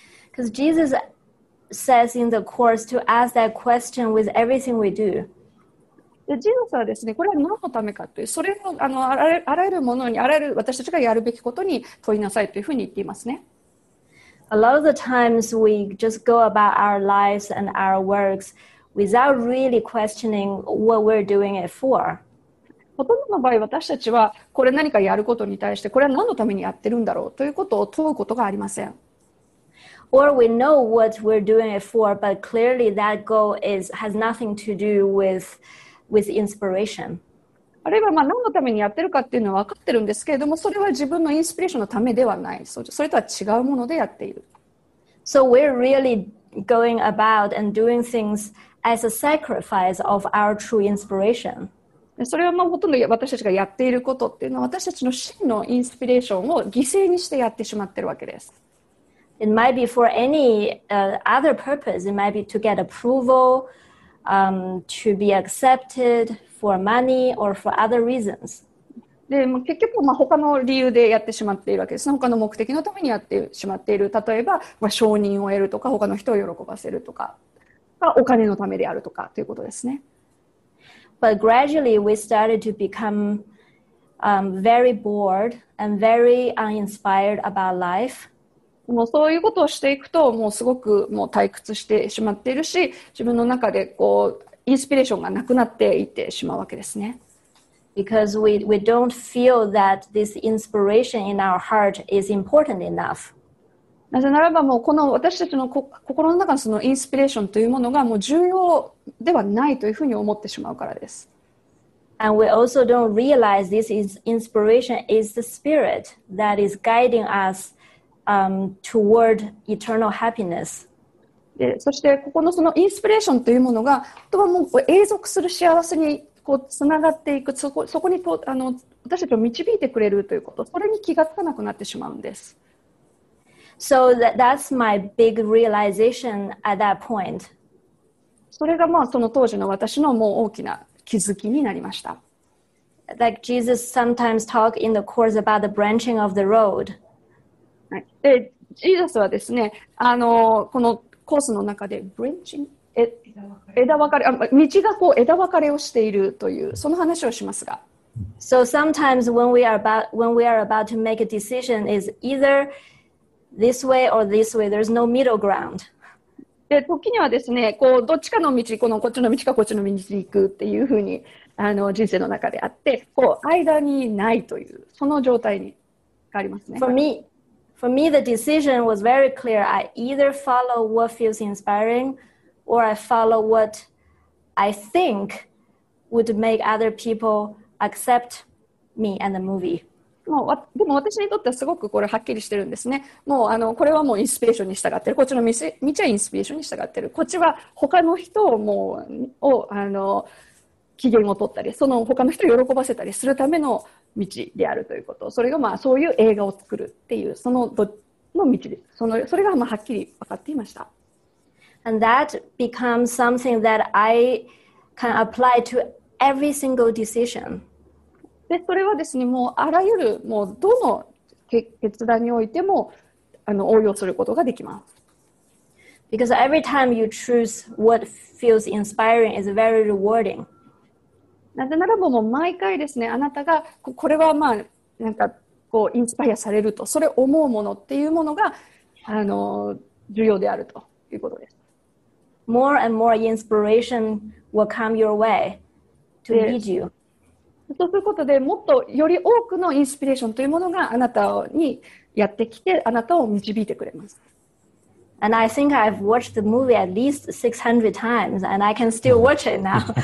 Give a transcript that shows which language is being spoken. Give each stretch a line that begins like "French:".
English: Because Jesus says in the course to ask that question with everything we do.
Japanese: Jesus はですね、これは何のためかという、それをあらゆるものに、あらゆる私たちがやるべきことに問いなさいというふうに言っていますね。
English: A lot of the times we just go about our lives and our works without really questioning what we're doing it for.
Japanese: ほとんどの場合、私たちはこれ何かやることに対して、これは何のためにやってるんだろうということを問うことがありません。
English: Or we know what we're doing it for, but clearly that goal has nothing to do with inspiration.
Japanese: あるいはまあ何のためにやってるかっていうのは分かってるんですけれども、それは自分のインスピレーションのためではない。それとは違うものでやっている。
English: So we're really going about and doing things as a sacrifice of our true inspiration.
Japanese: それはまあほとんど私たちがやっていることっていうのは、私たちの真のインスピレーションを犠牲にしてやってしまってるわけです。
English: It might be for any other purpose. It might be to get approval, to be accepted for money or for other reasons.
Japanese: で、まあ、結局、まあ、他の理由でやってしまっているわけです。他の目的のためにやってしまっている。例えば、まあ、承認を得るとか、他の人を喜ばせるとか、まあ、お金のためであるとかということですね。
English: But gradually we started to become very bored and very uninspired about life.
Japanese: もうそういうことをしていくともうすごくもう退屈してしまっているし自分の中でこうインスピレーションがなくなっていってしまうわけですね。
English: Because we don't feel that this inspiration in our heart is important enough.
Japanese: なぜならばもうこの私たちの心の中のそのインスピレーションというものがもう重要ではないというふうに思ってしまうからです。
English: And we also don't realize this inspiration is the spirit that is guiding usToward eternal happiness.
Japanese: で、そしてここのそのインスピレーションというものが、あとはもう永続する幸せにこうつながっていく、そこにとあの私たちを導いてくれるということ、それに気がつかなくなってしまうんです。
English: So that's my big realization at that point.
Japanese: それがまあその当時の私のもう大きな気づきになりました。
English: Like Jesus sometimes talk in the course about the branching of the road.
Japanese: はい。で、ジーザスはですね、あのこのコースの中で branching、枝分かれ、道がこう枝分かれをしているというその話をしますが。
English: So sometimes when we are about to make a decision is either this way or this way. There's no middle ground.
Japanese: で、時にはですね、こうどっちかの道、このこっちの道かこっちの道に行くっていうふうにあの人生の中であって、こう間にないというその状態にありますね。
English: For me, the decision was very clear. I either follow what feels inspiring, or I follow what I think would make other people accept me and the movie.
Japanese: もうでも私にとってはすごくこれはっきりしてるんですね。もうあのこれはもうインスピレーションに従ってる。こっちの道はインスピレーションに従ってる。こっちは他の人をもうをあの機嫌を取ったり、その他の人を喜ばせたりするための道であるということ。それがまあそういう映画を作るっていうそのどの道です。それがまあはっきり分かっていました。
English: And that becomes something that I can apply to every single decision.
Japanese: でそれはですね、もうあらゆるもうどの決断においてもあの応用することができます。
English: Because every time you choose what feels inspiring is very rewarding.
Japanese: なぜならばもう毎回ですね、あなたがこれはまあなんかこうインスパイアされると、それ思うものっていうものがあの重要であるということです。
English: More and more inspiration will come your way to lead you.
Japanese: そうすることでもっとより多くのインスピレーションというものがあなたにやってきてあなたを導いてくれます。
English: And I think I've watched the movie at least 600 times and I can still watch it now.